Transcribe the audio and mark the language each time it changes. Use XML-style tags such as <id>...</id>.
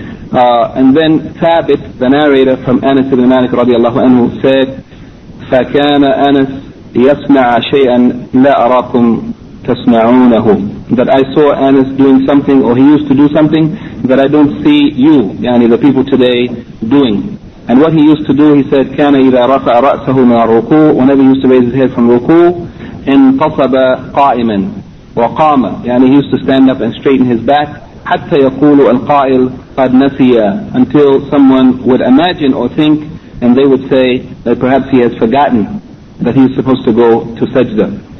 <en>And then Thabit, the narrator from Anas ibn Malik radiallahu anhu, said</en> <ar>فكان أنس يسمع شيئا لا أراكم تسمعونه.</ar> <en>That I saw Anas doing something, or he used to do something that I don't see you, يعني the people today, doing. And what he used to do, he said,</en> <ar>كان إذا رفع رأسه من الركوع,</ar> <en>whenever he used to raise his head from ركوع,</en> <ar>انتصب قائما وقام,</ar> <en>يعني he used to stand up and straighten his back,</en> <ar>حتى يقول القائل قد نسي,</ar> <en>until someone would imagine or think, and they would say that perhaps he has forgotten that he is supposed to go to sajda.</en>